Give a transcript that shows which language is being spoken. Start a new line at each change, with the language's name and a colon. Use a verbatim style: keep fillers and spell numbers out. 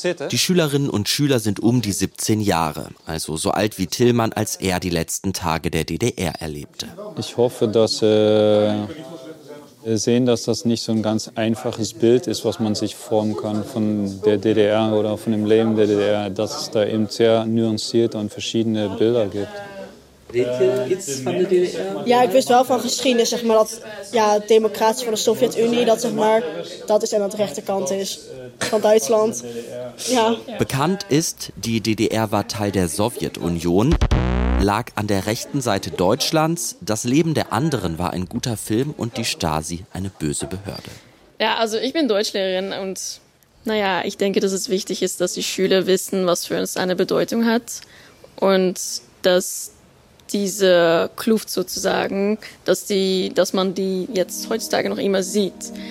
German: Die Schülerinnen und Schüler sind um die siebzehn Jahre, also so alt wie Tillmann, als er die letzten Tage der D D R erlebte. Ich hoffe, dass äh, wir sehen, dass das nicht so ein ganz einfaches Bild ist, was man sich formen kann von der D D R oder von dem Leben der D D R, dass es da eben sehr nuanciert und verschiedene Bilder gibt.
Dutch: Weet je iets van de D D R? Ja, ik wist wel van geschiedenis, zeg maar, dat ja, democratie van de Sovjet-Unie, dat zeg maar, dat is en aan de rechterkant is van Duitsland. Ja.
German: Bekannt ist, die D D R war Teil der Sowjetunion, lag an der rechten Seite Deutschlands, das Leben der anderen war ein guter Film und die Stasi eine böse Behörde. Ja, also ich bin Deutschlehrerin und naja, ich denke, dass es wichtig ist, dass die Schüler wissen, was für uns eine Bedeutung hat und dass diese Kluft sozusagen, dass, die, dass man die jetzt heutzutage noch immer sieht.